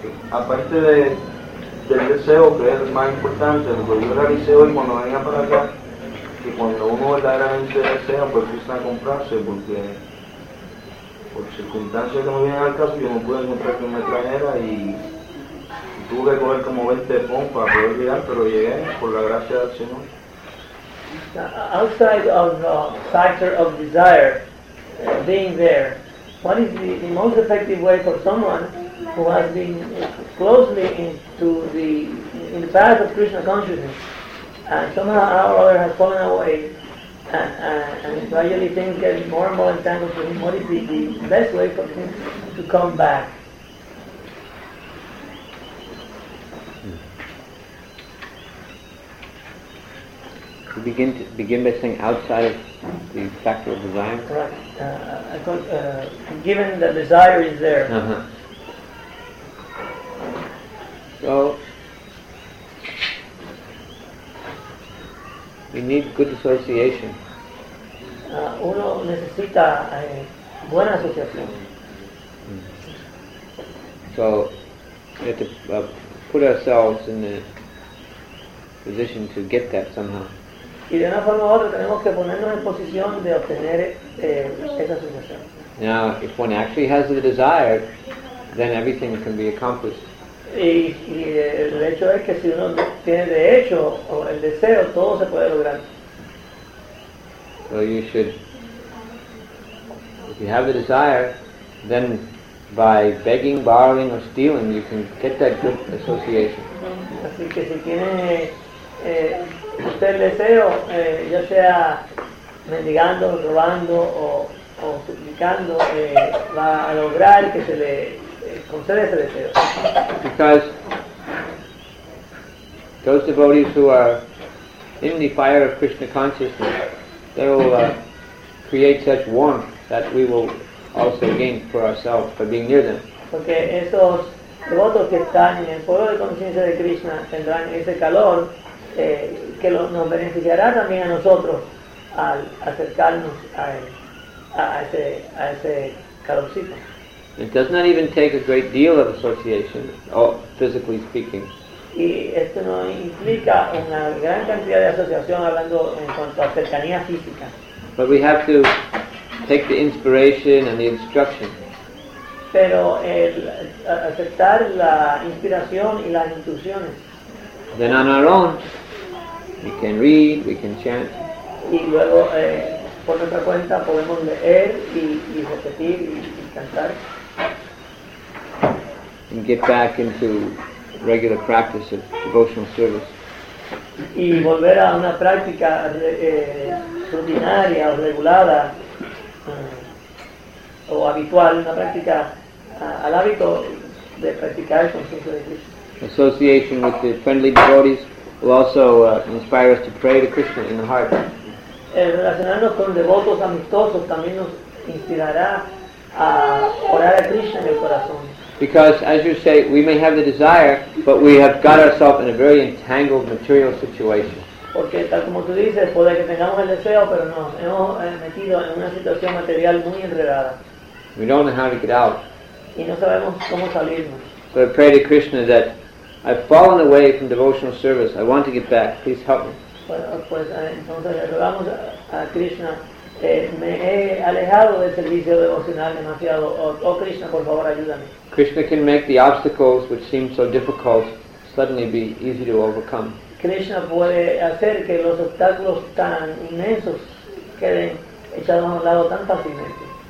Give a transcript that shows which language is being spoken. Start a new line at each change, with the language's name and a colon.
Spanish: Aparte del deseo, que es más importante, lo que yo realicé hoy cuando venía para acá, que cuando uno verdaderamente desea, pues quisiera comprarse, porque por circunstancias que me vienen al caso, yo no pude encontrar que me trajera y tuve que coger como 20 pompas para poder llegar, pero llegué por la gracia del Señor.
English: Outside of the factor of desire being there, what is the most effective way for someone who has been closely in the path of Krishna consciousness and somehow or other has fallen away and gradually things get more and more entangled to him? What is the best way for him to come back? We begin by saying outside of the factor of desire. Right. Given the desire is there. So we need good association.
Spanish: Uno necesita buena asociación.
English: So we have to put ourselves in the position to get that somehow.
Spanish: Y de una forma u otra tenemos que ponernos en posición de obtener esa asociación.
English: Now, if one actually has the desire, then everything can be accomplished.
Spanish: Y el hecho es que si uno tiene de hecho o el deseo, todo se puede lograr.
English: So you should, if you have the desire, then by begging, borrowing or stealing, you can get that good association.
Spanish: Así que si tiene usted el deseo, ya sea mendigando, robando o suplicando, va a lograr que se le conceda ese deseo.
English: Because those devotees who are in the fire of Krishna consciousness, they will create such warmth that we will also gain for ourselves by being near them.
Spanish: Porque esos devotos que están en el fuego de conciencia de Krishna tendrán ese calor que lo, nos beneficiará también a nosotros al acercarnos a él, a ese calorcito.
English: It does not even take a great deal of association, or physically speaking.
Spanish: Y esto no implica una gran cantidad de asociación hablando en cuanto a cercanía física.
English: But we have to take the inspiration and the instruction.
Spanish: Pero el aceptar la inspiración y las instrucciones.
English: Then on our own, we can read, we can chant.
Spanish: Y luego, por nuestra cuenta, podemos leer y repetir y cantar.
English: And get back into regular practice of devotional service.
Spanish: Y volver a una práctica rutinaria o regulada o habitual, una práctica al hábito de practicar el conciencia de Krishna.
English: Association with the friendly devotees will also inspire us to pray to Krishna in the heart.
Spanish: Relacionarnos con devotos amistosos también nos inspirará a orar a Krishna en el corazón.
English: Because, as you say, we may have the desire, but we have got ourselves in a very entangled material situation.
Spanish: Porque tal como tú dices, puede que tengamos el deseo, pero nos hemos metido en una situación material muy enredada.
English: We don't know how to get out.
Spanish: Y no sabemos cómo salirnos.
English: So I pray to Krishna that I've fallen away from devotional service. I want to get back. Please help me.
Spanish: Pues entonces rogamos a Krishna. Me he alejado del servicio devocional demasiado. Oh Krishna, por favor, ayúdame.
English: Krishna can make the obstacles which seem so difficult suddenly be easy to overcome.
Spanish: Krishna puede hacer que los obstáculos tan inmensos queden echados a un lado tan fácilmente.